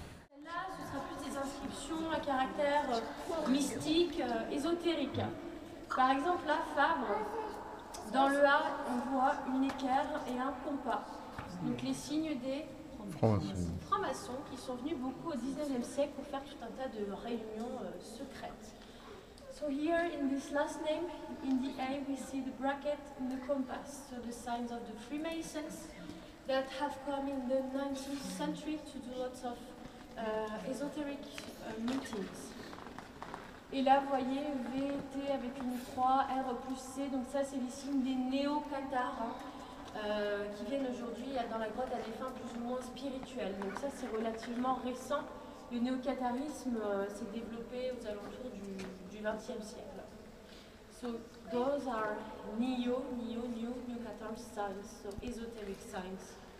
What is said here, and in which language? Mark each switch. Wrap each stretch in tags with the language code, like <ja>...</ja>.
<fr>Celle-là, ce sera plus des inscriptions à caractère mystique, ésotérique. Par exemple, la femme. Dans le A, on voit une équerre et un compas. Donc les signes des francs-maçons qui sont venus beaucoup au 19e siècle pour faire tout un tas de réunions secrètes.</fr> <en>So here in this last name, in the A, we see the bracket and the compass. So the signs of the Freemasons that have come in the 19th century to do lots of esoteric meetings.</en> <fr>Et là, vous voyez, VT avec une croix, R plus C, donc ça, c'est les signes des néo-cathares hein, qui viennent aujourd'hui dans la grotte à des fins plus ou moins spirituelles. Donc ça, c'est relativement récent. Le néo-catharisme s'est développé aux alentours du XXe siècle. So</fr> <en>So those are neo Qatar signs, so esoteric signs.</en>